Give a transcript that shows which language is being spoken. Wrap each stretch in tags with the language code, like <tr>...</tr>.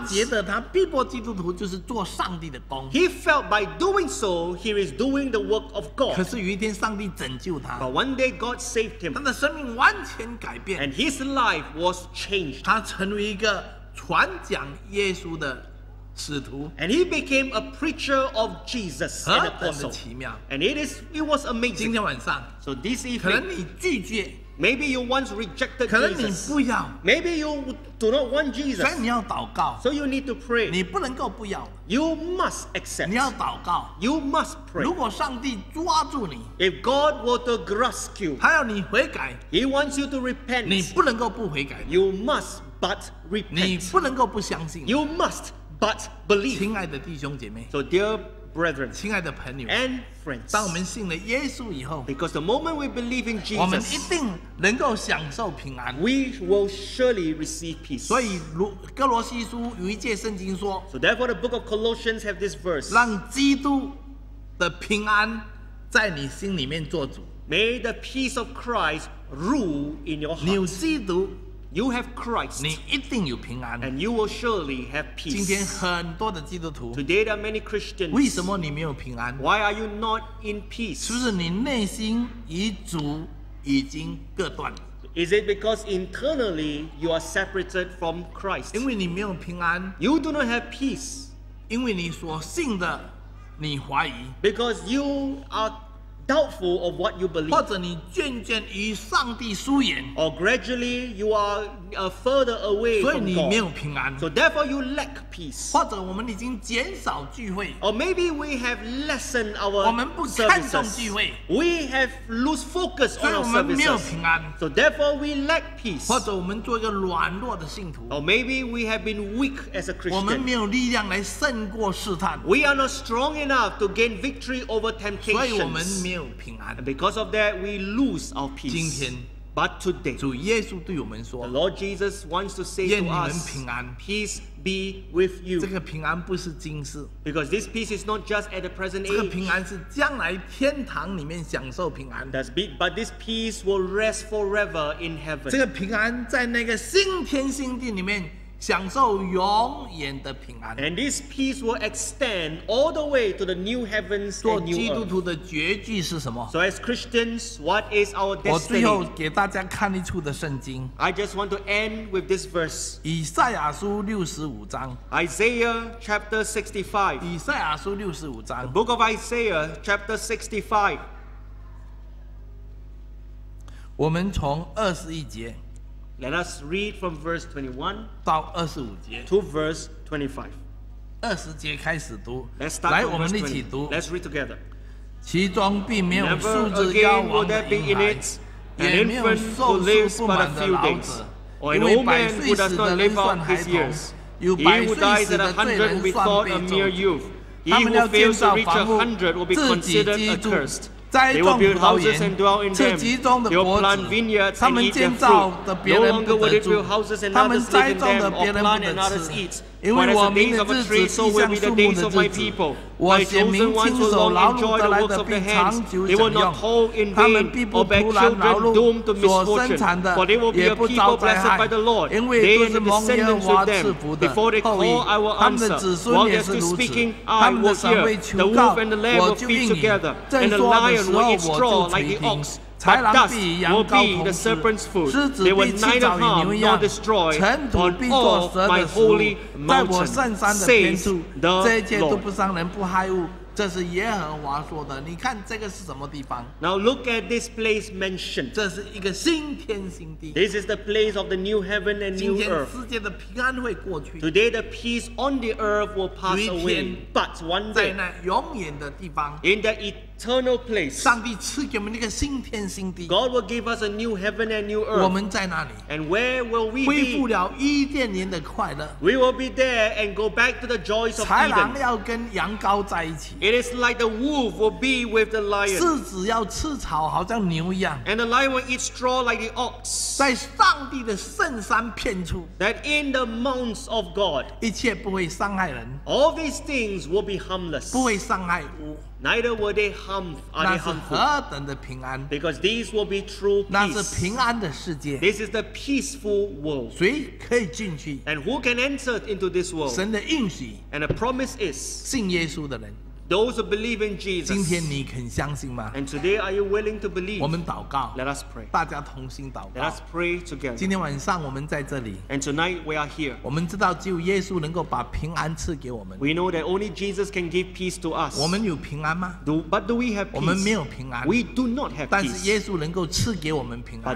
<zh>他觉得他逼迫基督徒就是做上帝的工。</zh> <en>He felt by doing so, he is doing the work of God.</en> <zh>可是有一天上帝拯救他。</zh> <en>But one day God saved him.</en> <zh>他的生命完全改变。</zh> <en>And his life was changed.</en> <zh>他成为一个传讲耶稣的使徒。</zh> <en>And he became a preacher of Jesus and apostle. And it was amazing.</en> <zh>今天晚上，</zh> <en>so this evening,</en> <zh>可能你拒绝，</zh> <en>maybe you once rejected Jesus.</en> <zh>可能你不要，</zh> <en>maybe you do not want Jesus.</en> <zh>所以你要祷告，</zh> <en>so you need to pray.</en> <zh>你不能够不要，</zh> <en>you must accept.</en> <zh>你要祷告，</zh> <en>you must pray.</en> <zh>如果上帝抓住你，</zh> <en>if God were to grasp you,</en> <zh>他要你悔改，</zh> <en>he wants you to repent.</en> <zh>你不能够不悔改，</zh> <en>you must but repent.</en> <zh>你不能够不相信，</zh> <en>you must but believe.</en> <zh>亲爱的弟兄姐妹，</zh> <en>so dear brethren,</en> <zh>亲爱的朋友,</zh> <en>and friends,</en> <zh>当我们信了耶稣以后,</zh> <en>because the moment we believe in Jesus,</en> <zh>我们一定能够享受平安,</zh> <en>we will surely receive peace.</en> <zh>所以哥罗西书有一节圣经说,</zh> <en>so therefore the book of Colossians have this verse,</en> <zh>让基督的平安在你心里面做主。</zh> <en>May the peace of Christ rule in your heart.</en> <zh>你有基督,</zh> <en>you have Christ,</en> <zh>你一定有平安,</zh> <en>and you will surely have peace.</en> <zh>今天很多的基督徒,</zh> <en>today there are many Christians,</en> <zh>为什么你没有平安?</zh> <en>Why are you not in peace?</en> <zh>是不是你内心与主已经隔断?</zh> <en>Is it because internally you are separated from Christ?</en> <zh>因为你没有平安,</zh> <en>you do not have peace.</en> <zh>因为你所信的, 你怀疑,</zh> <en>because you are doubtful of what you believe,</en> <zh>或者你渐渐与上帝疏远,</zh> <en>or gradually you are further away from God,</en> <zh>所以你没有平安,</zh> <en>so therefore you lack peace,</en> <zh>或者我们已经减少聚会,</zh> <en>or maybe we have lessened our services,</en> <zh>我们不看重聚会,</zh> <en>we have lose focus on our services,</en> <zh>所以我们没有平安,</zh> <en>so therefore we lack peace,</en> <zh>或者我们做一个软弱的信徒,</zh> <en>or maybe we have been weak as a Christian,</en> <zh>我们没有力量来胜过试探,</zh> <en>we are not strong enough to gain victory over temptations,</en> <zh>所以我们没有平安,</zh> <en>and because of that we lose our peace.</en> <zh>今天,</zh> <en>but today,</en> <zh>主耶稣对我们说,</zh> <en>the Lord Jesus wants to say to us,</en> <zh>愿你们平安,</zh> <en>peace be with you.</en> <zh>这个平安不是今世,</zh> <en>because this peace is not just at the present age.</en> <zh>这个平安是将来天堂里面享受平安,</zh> <en>but this peace will rest forever in heaven.</en> <zh>这个平安在那个新天新地里面享受永远的平安,</zh> <en>and this peace will extend all the way to the new heavens and new earth.</en> <zh>做基督徒的决志是什么?</zh> <en>So as Christians, what is our destiny?</en> <zh>我最后给大家看一处的圣经,</zh> <en>I just want to end with this verse.</en> <zh>以赛亚书六十五章,</zh> <en>Isaiah chapter 65.</en> <zh>以赛亚书六十五章,</zh> <en>the book of Isaiah chapter 65.</en> <zh>我们从二十一节,</zh> <en>let us read from verse 21</en> <zh>到二十五节,</zh> <en>to verse 25.</en> <zh>二十节开始读,</zh> <en>let's start,</en> <zh>来我们一起读,</zh> <en>let's read together.</en> <zh>其中并没有数字妖王的婴孩,</zh> <en>it,</en> <zh>也没有寿数不满的老子,</zh> <en>days,</en> <zh>因为百岁死的人算孩童, 有百岁死的罪人算被咒, 他们要建造房屋, 自己居住,</zh> <en>they will build houses and dwell in them. They will plant vineyards and eat their fruit. No longer will they build houses and others live in them, or plant and others eat. Whereas the days of a tree, so will be the days of my people. My chosen ones will long enjoy the works of their hands. They will not toil in vain, or bear children doomed to misfortune. For they will be a people blessed by the Lord. They and the descendants of them, before they call, I will answer. While they are still speaking, I will hear. The wolf and the lamb will feed together, and the lion will eat straw like the ox.</en> <zh>豺狼必羊羔同食,</zh> <en>will be the serpent's food.</en> <zh>狮子必吃草与牛一样,</zh> <en>destroy,</en> <zh>尘土必做蛇的食物, 在我圣山的边处, 这一切都不伤人不害物, 这是耶和华说的。你看这个是什么地方?</zh> <en>Now look at this place mentioned.</en> <zh>这是一个新天新地。</zh> <en>This is the place of the new heaven and new earth.</en> <zh>今天世界的平安会过去。</zh> <en>Today the peace on the earth will pass away. But one day,</en> <zh>在那永远的地方,</zh> <en>in the eternal,eternal place,</en> <zh>上帝赐给我们一个新天新地。</zh> <en>God will give us a new heaven and new earth.</en> <zh>我们在哪里?</zh> <en>And where will we be?</en> <zh>恢复了伊甸园的快乐。</zh> <en>We will be there and go back to the joys of Eden.</en> <zh>豺狼要跟羊羔在一起。</zh> <en>It is like the wolf will be with the lion.</en> <zh>狮子要吃草，好像牛一样。</zh> <en>And the lion will eat straw like the ox.</en> <zh>在上帝的圣山片处。</zh> <en>That in the mounts of God,</en> <zh>一切不会伤害人。</zh> <en>All these things will be harmless.</en> <zh>不会伤害物。</zh> <en>Neither will they harm, are they harmful?</en> <zh>那是何等的平安。</zh> <en>Because these will be true peace.</en> <zh>那是平安的世界。</zh> <en>This is the peaceful world.</en> <zh>谁可以进去?</zh> <en>And who can enter into this world?</en> <zh>神的应许。</zh> <en>And the promise is,</en> <zh>信耶稣的人。</zh> <en>Those who believe in Jesus.</en> <zh>今天你肯相信吗?</zh> <en>And today are you willing to believe?</en> <zh>我们祷告。</zh> <en>Let us pray.</en> <zh>大家同心祷告。</zh> <en>Let us pray together.</en> <zh>今天晚上我们在这里。</zh> <en>And tonight we are here.</en> <zh>我们知道只有耶稣能够把平安赐给我们。</zh> <en>We know that only Jesus can give peace to us.</en> <zh>我们有平安吗?</zh> <en>But do we have peace?</en> <zh>我们没有平安。</zh> <en>We do not have peace.</en> <zh>但是耶稣能够赐给我们平安。</zh>